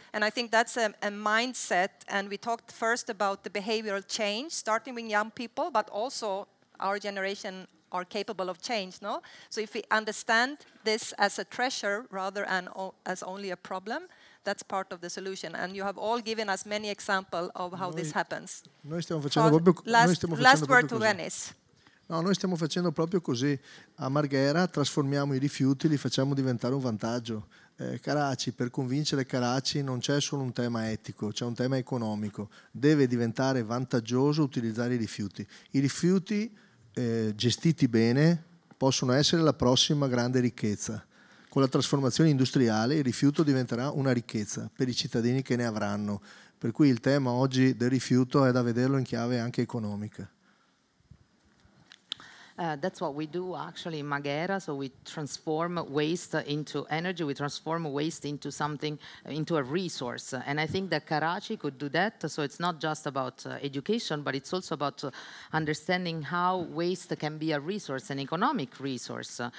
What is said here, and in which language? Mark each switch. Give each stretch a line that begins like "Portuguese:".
English: And I think that's a mindset. And we talked first about the behavioral change, starting with young people, but also our generation are capable of change, no? So if we understand this as a treasure rather than as only a problem, that's part of the solution. And you have all given us many examples of how this happens.
Italian: Noi stiamo facendo proprio,
English: last word to Venice.
Italian: No, noi stiamo facendo proprio così. A Marghera trasformiamo i rifiuti, li facciamo diventare un vantaggio. Karachi, per convincere Karachi non c'è solo un tema etico, c'è un tema economico. Deve diventare vantaggioso utilizzare i rifiuti. I rifiuti gestiti bene possono essere la prossima grande ricchezza. Con la trasformazione industriale il rifiuto diventerà una ricchezza per i cittadini che ne avranno. Per cui il tema oggi del rifiuto è da vederlo in chiave anche economica.
English: That's what we do actually in Marghera. So we transform waste into energy, we transform waste into something, into a resource. And I think that Karachi could do that. So it's not just about education, but it's also about understanding how waste can be a resource, an economic resource.